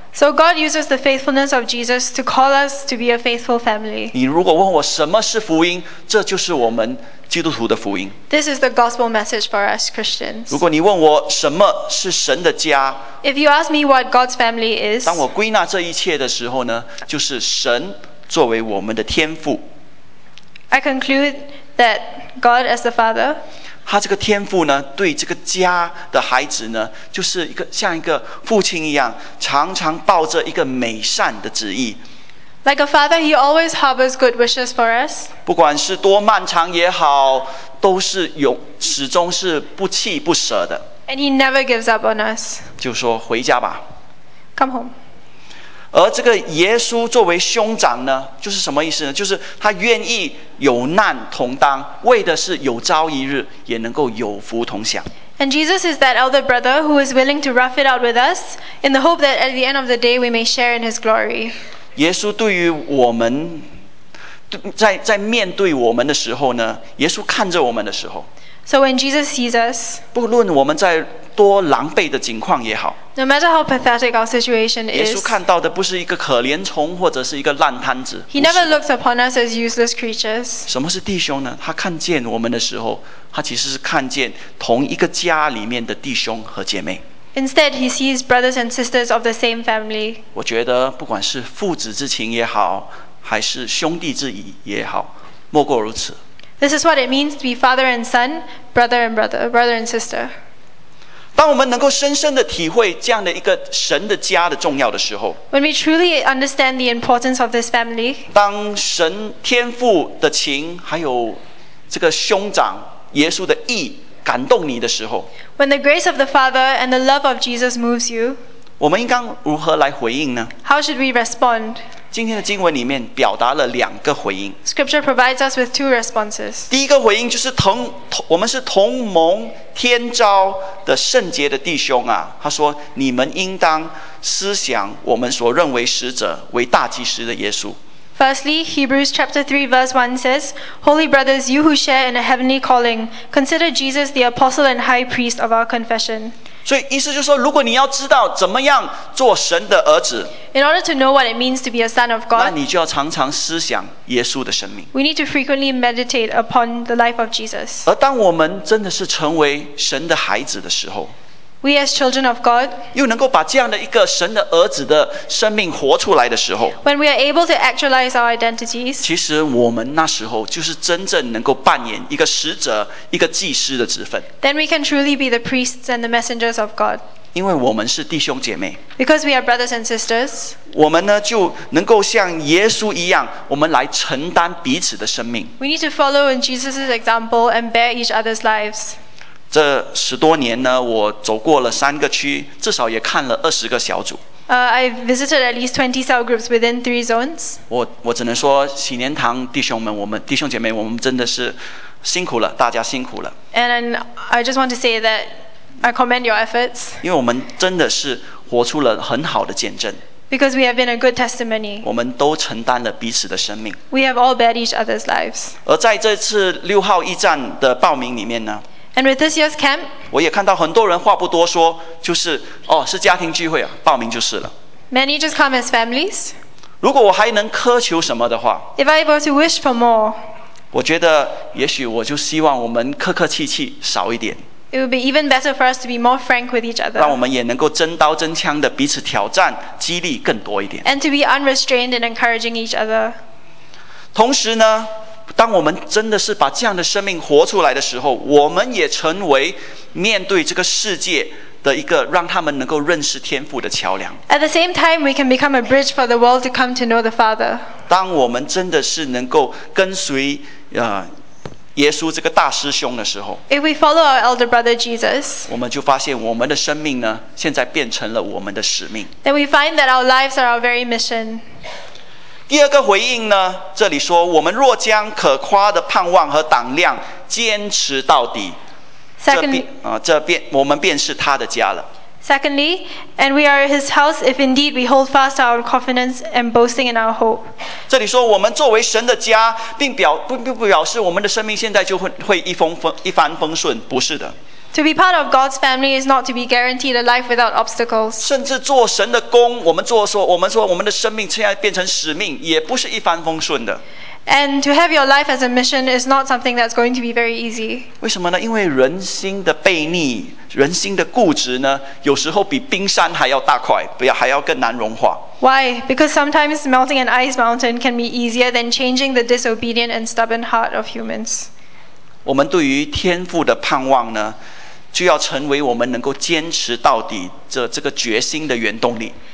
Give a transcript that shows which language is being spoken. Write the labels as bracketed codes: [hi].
[en] So God uses the faithfulness of Jesus to call us to be a faithful family. [zh] 你如果问我什么是福音，这就是我们。基督徒的福音。 [en] This is the gospel message for us Christians. [zh] 如果你问我什么是神的家， [en] If you ask me what God's family is, [zh] 当我归纳这一切的时候呢，就是神作为我们的天父。 [en] I conclude that God as the Father. [zh] 他这个天父呢，对这个家的孩子呢，就是一个像一个父亲一样，常常抱着一个美善的旨意。 [en] Like a father, he always harbors good wishes for us. [zh] 不管是多漫长也好，都是始终是不弃不舍的。 [en] And he never gives up on us. [zh] 就说回家吧。 [en] Come home. [zh] 而这个耶稣作为兄长呢，就是什么意思呢？就是他愿意有难同当，为的是有朝一日也能够有福同享。 [en] And Jesus is that elder brother who is willing to rough it out with us in the hope that at the end of the day we may share in his glory. [zh] 耶稣对于我们在面对我们的时候呢，耶稣看着我们的时候。 [en] So when Jesus sees us, [zh] 不论我们在多狼狈的情况也好， [en] no matter how pathetic our situation is, [zh] 耶稣看到的不是一个可怜虫或者是一个烂摊子。 [en] He never looks upon us as useless creatures. [zh] 什么是弟兄呢？他看见我们的时候，他其实是看见同一个家里面的弟兄和姐妹。 [en] Instead, he sees brothers and sisters of the same family. [zh] 我觉得不管是父子之情也好，还是兄弟之谊也好，莫过如此。 [en] This is what it means to be father and son, brother and brother, brother and sister. [zh] 当我们能够深深地体会这样的一个神的家的重要的时候， [en] When we truly understand the importance of this family, [zh] 当神天父的情还有这个兄长耶稣的义感动你的时候， [en] When the grace of the Father and the love of Jesus moves you, [zh] 我们应该如何来回应呢？ [en] How should we respond? [zh] 今天的经文里面表达了两个回应。 [en] Scripture provides us with two responses. [zh] 第一个回应就是我们是同盟天召的圣洁的弟兄啊，他说你们应当思想我们所认为使者为大祭司的耶稣。 [en] Firstly, Hebrews chapter 3 verse 1 says, Holy brothers, you who share in a heavenly calling, consider Jesus the apostle and high priest of our confession. [zh] 所以意思就是说，如果你要知道怎么样做神的儿子， [en] In order to know what it means to be a son of God, [zh] 那你就要常常思想耶稣的生命。 [en] We need to frequently meditate upon the life of Jesus. [zh] 而当我们真的是成为神的孩子的时候， [en] We as children of God, [zh] 又能够把这样的一个神的儿子的生命活出来的时候， [en] When we are able to actualize our identities, [zh] 其实我们那时候就是真正能够扮演一个使者、一个祭司的职分。 [en] Then we can truly be the priests and the messengers of God. [zh] 因为我们是弟兄姐妹。 [en] Because we are brothers and sisters, [zh] 我们呢就能够像耶稣一样，我们来承担彼此的生命。 [en] We need to follow in Jesus' example and bear each other's lives. [zh] 这十多年呢，我走过了三个区，至少也看了二十个小组。 [en] I visited at least 20 cell groups within three zones. [zh] 我只能说，喜年堂弟兄们，我们弟兄姐妹，我们真的是辛苦了，大家辛苦了。 [en] And I just want to say that I commend your efforts. [zh] 因为我们真的是活出了很好的见证。 [en] Because we have been a good testimony. [zh] 我们都承担了彼此的生命。 [en] We have all bared each other's lives. [zh] 而在这次六号驿站的报名里面呢。 [en] And with this year's camp, [zh] 我也看到很多人话不多说，就是哦，是家庭聚会啊，报名就是了。 [en] Many just come as families. [zh] 如果我还能苛求什么的话， [en] If I were to wish for more, [zh] 我觉得也许我就希望我们客客气气少一点。 [en] It would be even better for us to be more frank with each other. [zh] 让我们也能够真刀真枪的彼此挑战，激励更多一点。 [en] And to be unrestrained in encouraging each other. [zh] 同时呢。当我们真的是把这样的生命活出来的时候，我们也成为面对这个世界的一个让他们能够认识天父的桥梁。 [en] At the same time, we can become a bridge for the world to come to know the Father. [zh] 当我们真的是能够跟随耶稣这个大师兄的时候， [en] If we follow our elder brother Jesus, [zh] 我们就发现我们的生命呢，现在变成了我们的使命。 [en] Then we find that our lives are our very mission. [zh] 第二个回应呢，这里说我们若将可夸的盼望和胆量坚持到底， [en] Secondly, [zh] 我们便是他的家了。 [en] Secondly, and we are his house if indeed we hold fast our confidence and boasting in our hope. [zh] 这里说我们作为神的家，并不表示我们的生命现在就 会一帆风顺，不是的。 [en] To be part of God's family is not to be guaranteed a life without obstacles. [zh] 甚至做神的工，我们说我们的生命现在变成使命，也不是一帆风顺的。 [en] And to have your life as a mission is not something that's going to be very easy. [zh] 为什么呢？因为人心的悖逆，人心的固执呢，有时候比冰山还要大块，还要更难融化。 [en] Why? Because sometimes melting an ice mountain can be easier than changing the disobedient and stubborn heart of humans. [zh] 我们对于天父的盼望呢，就要成为我们能够坚持到底这个决心的原动力。